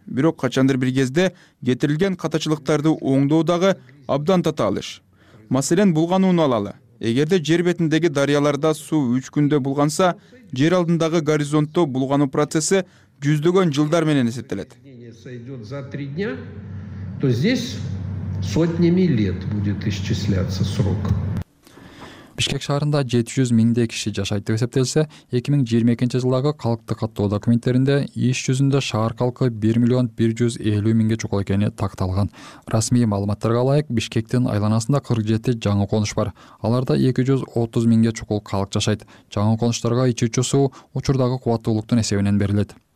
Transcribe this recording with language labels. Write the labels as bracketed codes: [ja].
[ky] Бирок качандыр бир кезде кетирилген катачылыктарды оңдоодагы абдан татаал иш. Маселен, булгануну алалы. Эгерде жер бетиндеги дарыяларда суу 3 күндө булганса, жер алдындагы горизонтто булгануу процесси жүздөгөн жылдар менен эсептелет. [ru] То здесь сотнями лет будет исчисляться срок. [ky] Бишкек шаарында 700 миңде киши жашайт деп эсептелсе, 2022 жылдагы калкты каттоо документтеринде иш жүзүндө шаар калкы 1,150,000 чукул экени такталган. Расмий маалыматтарга ылайык, Бишкектин айланасында 47 жаңы конуш бар. Аларда 230,000 чукул калк жашайт. Жаңы конуштарга ичүүчү суу учурдагы кубаттуулуктун эсебинен берилет.